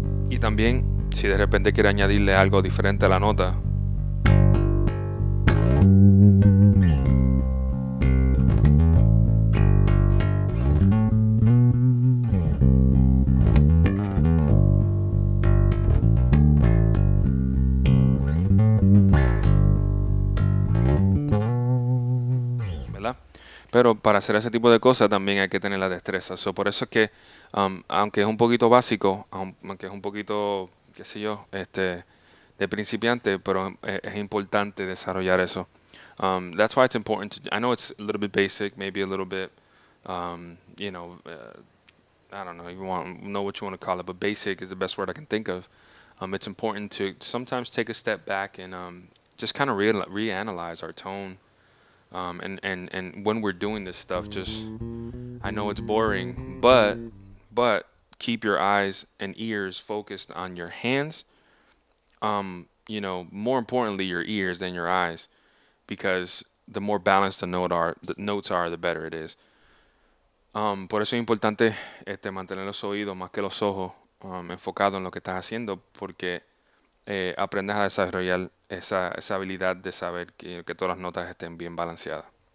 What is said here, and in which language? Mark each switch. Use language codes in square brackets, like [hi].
[es] Y también, si de repente quiere añadirle algo diferente a la nota, pero para hacer ese tipo de cosas también hay que tener la destreza. So, por eso es que, aunque es un poquito básico, aunque es un poquito, qué sé yo, de principiante, pero es importante desarrollar eso. [en] That's why it's important. I know it's a little bit basic, maybe a little bit, I don't know, know what you want to call it, but basic is the best word I can think of. It's important to sometimes take a step back and just kind of reanalyze our tone. And when we're doing this stuff, just, I know it's boring, but keep your eyes and ears focused on your hands. More importantly, your ears than your eyes, because the more balanced the notes are, the better it is. [es] Por eso es importante mantener los oídos más que los ojos enfocados en lo que estás haciendo, porque aprendes a desarrollar esa habilidad de saber que todas las notas estén bien balanceadas.